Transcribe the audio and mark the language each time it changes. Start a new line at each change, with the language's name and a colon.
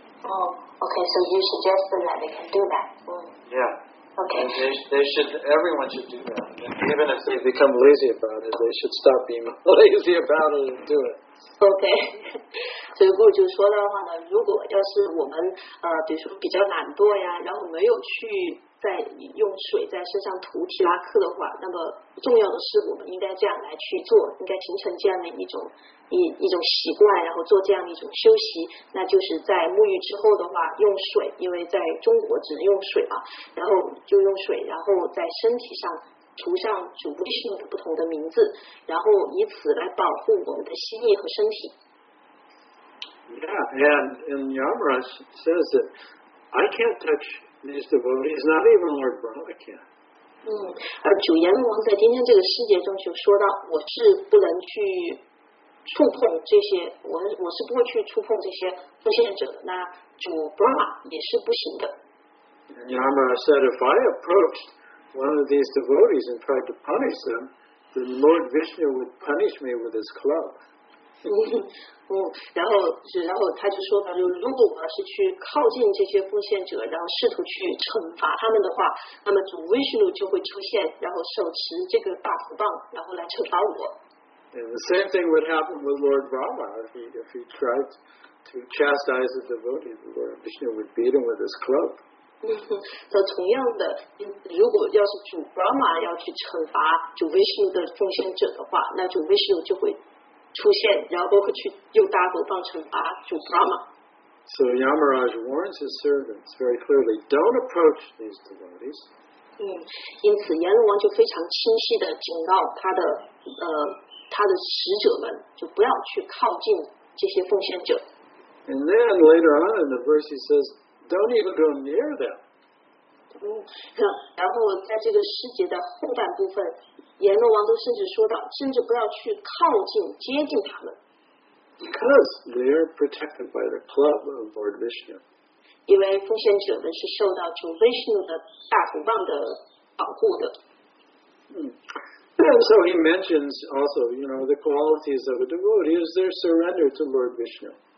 English: Oh, okay, so you suggest them that they can do that. Yeah. Okay. And they should, everyone should do that. Even if they become lazy about it, they should stop being lazy about it and do it.
Chinese: Okay, 所以就说的话呢，如果要是我们比如说比较懒惰呀，然后没有去在用水在身上涂提拉克的话，那么重要的是我们应该这样来去做，应该形成这样的一种习惯，然后做这样一种休息。那就是在沐浴之后的话用水，因为在中国只能用水嘛，然后就用水，然后在身体上涂上主布信的不同的名字，然后以此来保护我们的心意和身体。
English: Yeah, and Yamaraj says that I can't touch these devotees, not even Lord Brahma can.
Chinese: 而主阎罗王在今天这个细节中就说到，我是不能去触碰这些，我是不会去触碰这些奉献者的，那主 Brahma 也是不行的。
English: And Yamaraj said, if I approached one of these devotees and tried to punish them, then Lord Vishnu would punish me with his club.
Chinese: 然后他就说，就如果我要是去靠近这些奉献者，然后试图去惩罚他们的话，那么主 Vishnu 就会出现，然后手持这个大斧棒，然后来惩罚我。
English: And the same thing would happen with Lord Brahma. If he tried to chastise a devotee, Lord Vishnu would beat him with his club.
Chinese: 那同样的，如果要是主 Brahma 要去惩罚主 Vishnu 的奉献者的话，那主 Vishnu 就会出现，然后会去用大斧棒惩罚主 Brahma。
English: So Yamaraj warns his servants very clearly, don't approach these devotees.
Chinese: 因此阎罗王就非常清晰的警告他的使者们，就不要去靠近这些奉献者。
English: And then later on in the verse, he says,Don't even go near them.
Chinese: 然后在这个诗节的后半部分，阎罗王都甚至说到，甚至不要去靠近、接近他们。
English: Because they are protected by the club of Lord Vishnu.
Chinese: 因为奉献者们是受到主 Vishnu 的大斧棒的保护的。
English: And so he mentions also, you know, the qualities of a devotee is their surrender to Lord Vishnu.